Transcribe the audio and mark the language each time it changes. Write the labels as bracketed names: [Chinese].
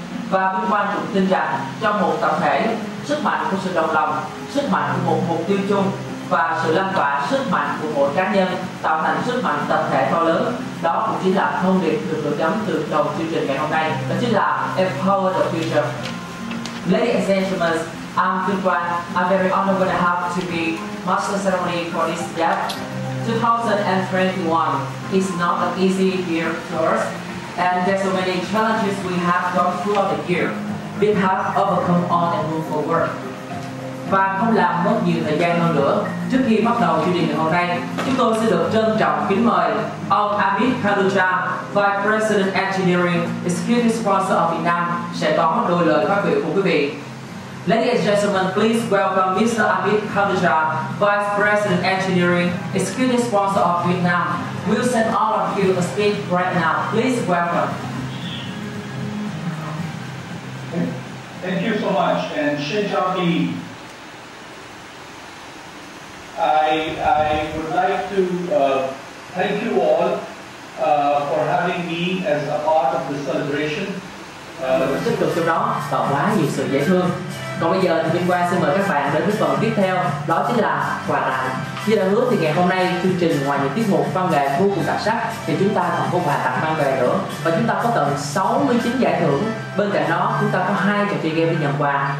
[Vietnamese] Và bên quan trọng tin rằng trong một tập thể, sức mạnh của sự đồng lòng, sức mạnh của một mục tiêu chung và sự lan tỏa sức mạnh của mỗi cá nhân tạo thành sức mạnh tập thể to lớn. Đó cũng chính là thông điệp được gửi gắm từ đầu chương trình ngày hôm nay, đó chính là Empower the Future. [English] Ladies and gentlemen, I'm Vinh Quang. I'm very honored to have to be master ceremony for this year. 2021 is not an easy year for us. And there's so many challenges we have gone throughout the year. We have overcome all and move forward. [Vietnamese] Và không làm mất nhiều thời gian hơn nữa, trước khi bắt đầu chương trình ngày hôm nay, chúng tôi sẽ được trân trọng kính mời ông Amit Khaluja, [English] Vice President Engineering, Executive Sponsor of Vietnam, [Vietnamese] sẽ có đôi lời phát biểu của quý vị. [English] Ladies and gentlemen, please welcome Mr. Amit Khaluja, Vice President Engineering, Executive Sponsor of Vietnam. We'll send all of you a speech right now. Please welcome. Thank you so much, and [Vietnamese] Xin chào quý. [English] I would like to thank you all for having me as a part of the celebration. [Vietnamese] Tiếp tục sau đó, tạo quá nhiều sự dễ thương. Còn bây giờ thì Vinh Quang xin mời các bạn đến với phần tiếp theo, đó chính là quà tặng. Như đã hứa thì ngày hôm nay chương trình ngoài những tiết mục văn nghệ vô cùng đặc sắc thì chúng ta còn có quà tặng mang về nữa. Và chúng ta có tận 69 giải thưởng. Bên cạnh đó chúng ta có hai trò chơi game để nhận quà.